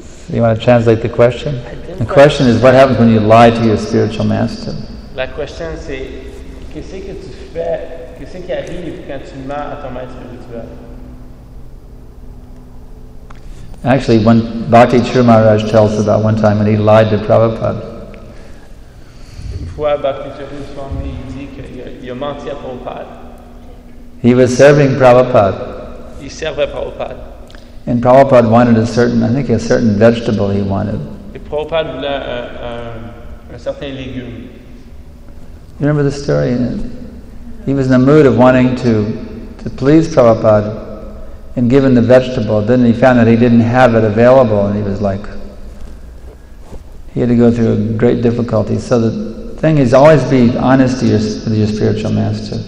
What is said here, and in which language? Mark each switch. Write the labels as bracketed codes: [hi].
[en] You want to translate the question? The question is, what happens when you lie to your spiritual master? [fr] La question c'est, qu'est-ce que tu fais, qu'est-ce qui arrive quand tu mens à ton maître spirituel? [en] Actually, when Bhakti Chura Maharaj tells about one time when he lied to Prabhupada. [fr] Une fois, Bhakti Chura Swami dit qu'il a menti à Prabhupada. [en] He was serving Prabhupada. [fr] Il servait Prabhupada. [en] And Prabhupada wanted a certain vegetable he wanted. [fr] Et Prabhupada voulait un certain légume. [en] You remember the story? He was in the mood of wanting to please Prabhupada and give him the vegetable. Then he found that he didn't have it available and he was like, he had to go through a great difficulty. So the thing is, always be honest with your spiritual master.